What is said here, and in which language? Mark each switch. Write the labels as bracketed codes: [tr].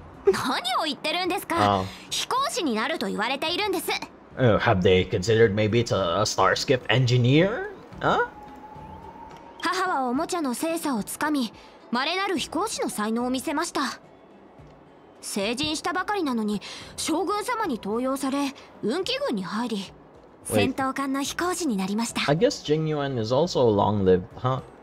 [ja] 何を言ってるんですか?飛行士になると言われているんです。 [en] Have they considered maybe it's a Starskiff engineer? Huh? [ja] 母はおもちゃの精査をつかみ、稀なる飛行士の才能を見せました。成人したばかりなのに、将軍様に登用され、運気軍に入り、戦闘艦の飛行士になりました。 [en] I guess genuine is also long-lived, huh?